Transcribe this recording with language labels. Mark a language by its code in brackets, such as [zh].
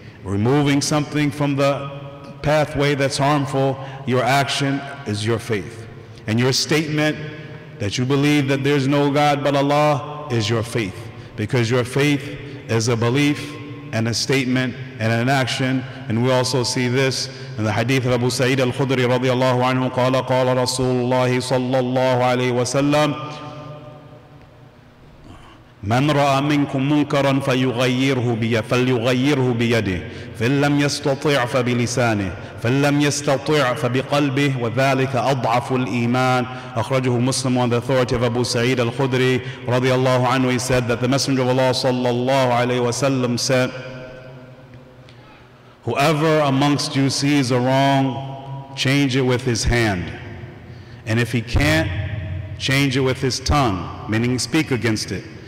[en] Removing something from the pathway that's harmful, your action is your faith. And your statement that you believe that there's no God but Allah is your faith. Because your faith is a belief and a statement and an action. And we also see this in the hadith of Abu Sa'id al-Khudri radiallahu anhu, qala qala Rasulullah sallallahu alayhi wa sallam, [ar] من رأى منكم منكرا فيغيره بي فليغيره بيده فإن لم يستطع فبلسانه فإن لم يستطع فبقلبه وذلك أضعف الإيمان. أخرجه مسلم [en] on the authority of Abu Sa'id al-Khudri رضي الله عنه. He said that the Messenger of Allah صلى الله عليه وسلم said, whoever amongst you sees a wrong, change it with his hand. And if he can't, change it with his tongue, meaning speak against it.